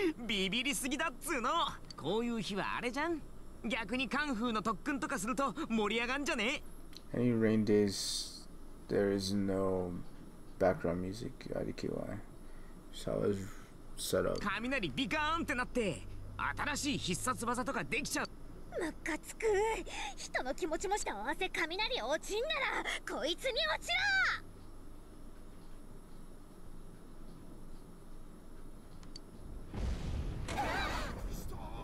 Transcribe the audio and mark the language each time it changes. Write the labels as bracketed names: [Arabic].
[Japanese] 明らかに近づいてるっしょこれ。あれ、お前意外にも雷怖い子。うっさいな。だって当たったら一撃死じゃん。ビビりすぎだっつーの。こういう日はあれじゃん。逆に カンフーの 特訓とかすると 盛り上がんじゃね? [English] Any rain days, there is no background music, IDKY. So I was set up. [Japanese] 雷 ビカーンってなって 新しい必殺技とかできちゃう。ムカつく! 人の気持ちもして合わせ 雷落ちんなら こいつに落ちろ!